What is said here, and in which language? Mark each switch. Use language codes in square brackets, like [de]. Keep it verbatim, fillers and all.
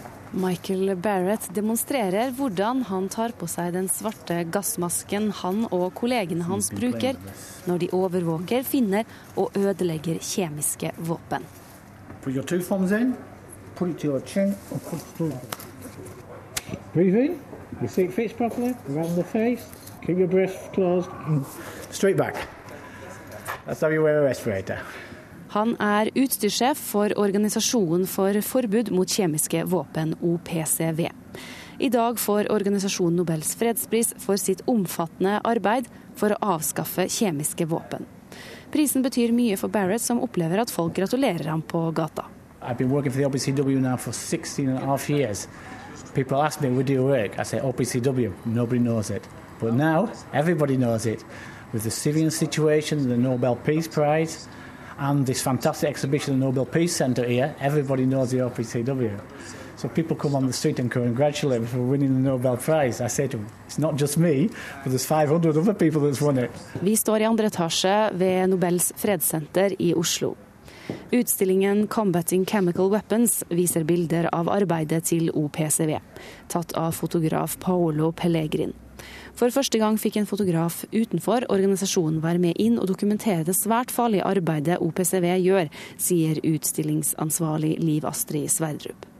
[no] Michael Barrett demonstrerer hvordan han tar på seg den svarte gassmasken han og kollegene hans bruker når de overvåker, finner og ødelegger kjemiske våpen. [en] forty-two percent of control. Breathing, you see it fits properly, around the face, keep your breath closed, straight back. That's how you wear a respirator. [no] Han er utstyrssjef for Organisasjonen for forbud mot kjemiske våpen, O P C V. I dag får organisasjonen Nobels fredspris for sitt omfattende arbeid for å avskaffe kjemiske våpen. Prisen betyr mye for Barrett, som opplever at folk gratulerer ham på gata. [en] I've been working for the O P C W now for sixteen and a half years. People ask me, where do you work? I say O P C W. Nobody knows it. But now everybody knows it. With the Syrian situation, the Nobel Peace Prize, and this fantastic exhibition at the Nobel Peace Center here, everybody knows the O P C W. So people come on the street and congratulate me for winning the Nobel Prize. I say to them, it's not just me, but there's five hundred other people that's won it. [no] Vi står i andre etasje ved Nobels fredssenter i Oslo. Utstillingen Combating Chemical Weapons viser bilder av arbeidet til O P C V, tatt av fotograf Paolo Pellegrin. For første gang fikk en fotograf utenfor organisasjonen være med inn og dokumentere det svært farlige arbeidet O P C V gjør, sier utstillingsansvarlig Liv Astrid Sverdrup.